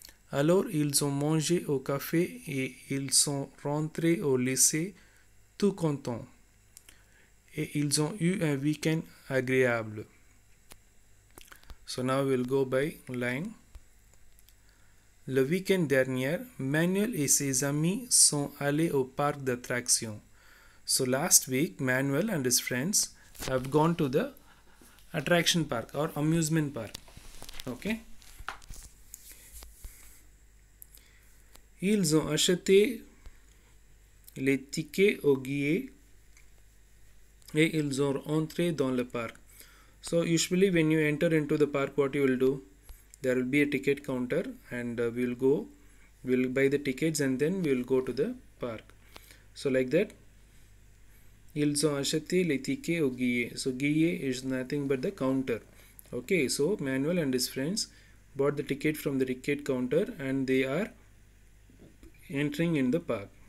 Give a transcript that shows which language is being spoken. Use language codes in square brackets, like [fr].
[fr] Alors ils ont mangé au café et ils sont rentrés au lycée tout contents. Et ils ont eu un week-end agréable. [en] So now we'll go by line. [fr] Le week-end dernier, Manuel et ses amis sont allés au parc d'attractions. [en] So last week, Manuel and his friends have gone to the attraction park or amusement park. Okay. [fr] Ils ont acheté les tickets au guichet et ils ont rentré dans le parc. [en] So usually when you enter into the park, what you will do, there will be a ticket counter, and we'll buy the tickets and then we'll go to the park. So like that, [fr] ils ont acheté les tickets au guichet. [en] So guichet is nothing but the counter. Okay, so Manuel and his friends bought the ticket from the ticket counter and they are entering in the park.